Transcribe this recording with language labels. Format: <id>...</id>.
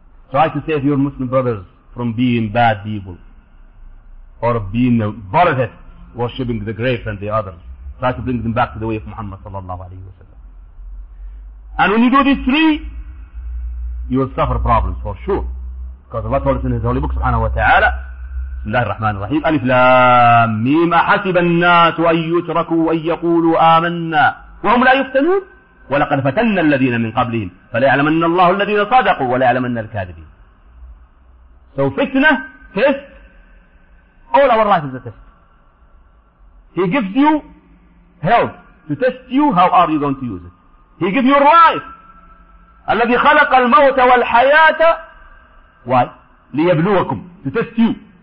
<en>Try to save your Muslim brothers from being bad people. Or being a barakat. Worshipping the grave and the others. Try to bring them back to the way of Muhammad sallallahu alayhi wa sallam. And when you do these three, you will suffer problems for sure. Because Allah told us in His Holy Book, subhanahu wa ta'ala, Bismillah ar-Rahman ar-Rahim, Alif Lam Mim,</en> <ar>أحسب الناس أن يتركوا أن يقولوا آمنا وهم لا يفتنون ولقد فتنا الذين من قبلهم فليعلمن الله الذين صدقوا وليعلمن الكاذبين.</ar> <en>So fitna, test, all our life is a test. He gives you health to test you, how are you going to use it? He gives you life.</en> <ar>الَّذِي خَلَقَ الْمَوْتَ وَالْحَيَاةَ.</ar> <en>Why?</en> <ar>لِيَبْلُوَكُمْ.</ar> <en>To test you.</en>